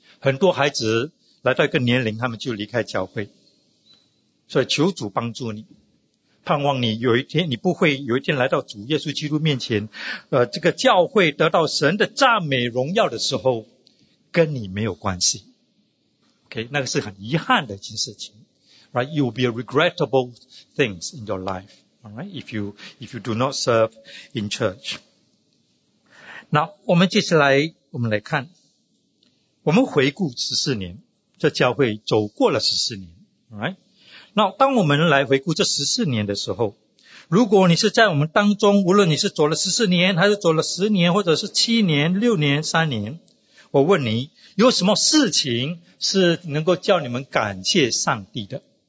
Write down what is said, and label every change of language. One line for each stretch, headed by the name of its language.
Chinese: 很多孩子来到一个年龄，他们就离开教会，所以求主帮助你，盼望你有一天，你不会有一天来到主耶稣基督面前，这个教会得到神的赞美荣耀的时候，跟你没有关系。 OK， 那个是很遗憾的一件事情。
English: Right, you will be a regrettable things in your life. All right, if you do not serve in church.
Chinese: 那我们接下来，我们来看，我们回顾14年，这教会走过了14年。
English: All right.
Chinese: 那当我们来回顾这14年的时候，如果你是在我们当中，无论你是走了14年还是走了10年或者是7年6年3年，我问你有什么事情是能够叫你们感谢上帝的？